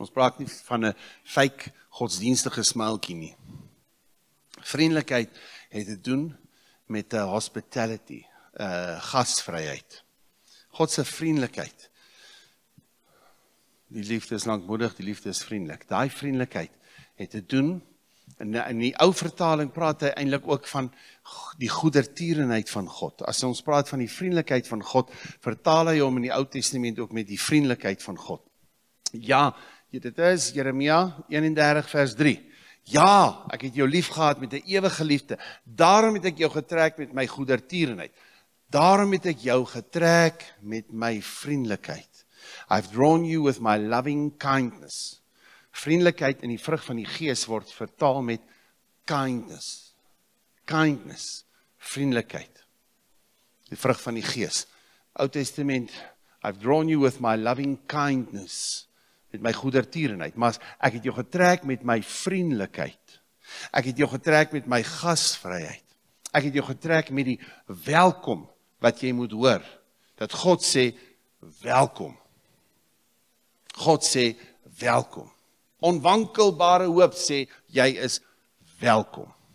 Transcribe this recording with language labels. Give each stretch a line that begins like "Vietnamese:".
Afrikaans: Ons praat nie van 'n fake godsdienstige smilkie nie. Vriendelikheid het te doen met hospitality, gastvryheid. Godse vriendelikheid. Die liefde is lankmoedig, die liefde is vriendelik. Daai vriendelikheid het te doen, in die ou vertaling praat hy eintlik ook van die goedertierenheid van God. As ons praat van die vriendelikheid van God, vertaal hy hom in die Ou Testament ook met die vriendelikheid van God. Ja, dit is Jeremia 31 vers 3. Ja, ek het jou lief gehad met 'n ewige liefde. Daarom het ek jou getrek met my goedertierenheid. Daarom het ek jou getrek met my vriendelikheid.
English: I've drawn you with my loving kindness.
Afrikaans: Vriendelikheid in die vrug van die gees word vertaal met kindness. Kindness, vriendelikheid. Die vrug van die gees. Ou Testament,
English: I've drawn you with my loving kindness.
Afrikaans: Met my goedertierenheid. Maar ek het jou getrek met my vriendelikheid. Ek het jou getrek met my gasvryheid. Ek het jou getrek met die welkom wat jy moet hoor. Dat God sê, welkom. God sê, welkom. Onwankelbare hoop sê, jy is welkom.